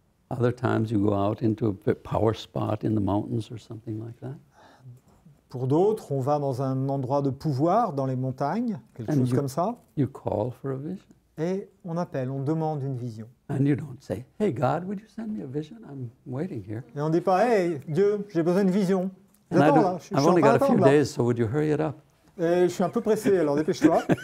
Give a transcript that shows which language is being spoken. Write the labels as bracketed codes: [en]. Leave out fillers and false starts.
[en] Other times you go out into a power spot in the mountains or something like that. [fr] Pour d'autres, on va dans un endroit de pouvoir dans les montagnes, quelque [en] and [fr] chose [en] you, [fr] comme ça. [en] You call for a vision. [fr] Et on appelle, on demande une vision. [en] And you don't say, "Hey God, would you send me a vision? I'm waiting here." [fr] Et on dit pas, "Hey Dieu, j'ai besoin de vision." J'attends là. [en] I've only got a few days, so would you hurry it up? [fr] Et je suis un peu pressé, alors dépêche-toi.